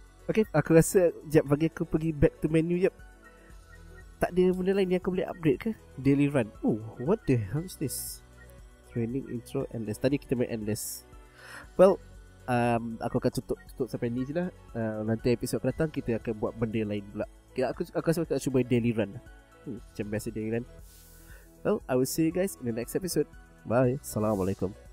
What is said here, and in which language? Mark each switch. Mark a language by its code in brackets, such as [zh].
[ms] Okay, aku rasa jap bagi aku pergi [en] back to menu [ms] jap. Tak ada benda lain yang aku boleh upgrade ke? Daily run. [en] Oh, what the hell is this? Training intro endless. [ms] Tadi kita main endless. Well, aku akan tutup sampai ni je lah. Nanti episod akan datang kita akan buat benda lain pula. Okay, aku rasa aku nak cuba daily run. Macam biasa daily run. [en] Well, I will see you guys in the next episode. Bye. Assalamualaikum.